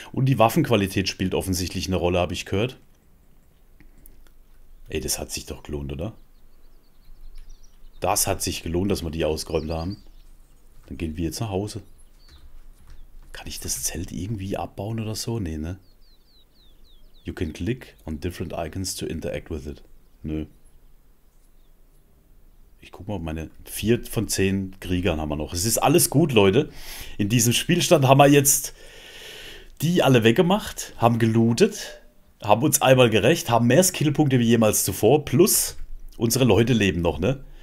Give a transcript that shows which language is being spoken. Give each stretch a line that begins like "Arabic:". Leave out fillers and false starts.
German: Und die Waffenqualität spielt offensichtlich eine Rolle, habe ich gehört. Ey, das hat sich doch gelohnt, oder? Das hat sich gelohnt, dass wir die ausgeräumt haben. Dann gehen wir jetzt nach Hause. Kann ich das Zelt irgendwie abbauen oder so? Nee, ne?
English: You can click on different icons to interact with it.
German: Nö. Ich guck mal, meine 4 von 10 Kriegern haben wir noch. Es ist alles gut, Leute. In diesem Spielstand haben wir jetzt die alle weggemacht, haben gelootet, haben uns einmal gerecht, haben mehr Skillpunkte wie jemals zuvor, plus unsere Leute leben noch, ne?